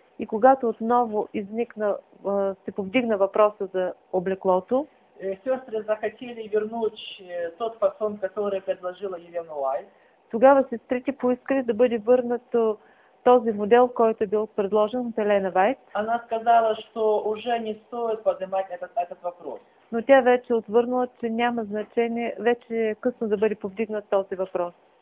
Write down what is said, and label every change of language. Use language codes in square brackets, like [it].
[bg] И когато отново се повдигна въпроса за облеклото. [ru] Сестры захотели вернуть тот фасон, который предложила Елена Уайт. [bg] Тогава сестрите поискали да бъде върнат този модел, който бил предложен от Елена Вайт. [ru] Она сказала, что уже не стоит поднимать этот вопрос. [bg] Но тя вече отвърнала, че няма значение, вече е късно да бъде повдигнат този въпрос.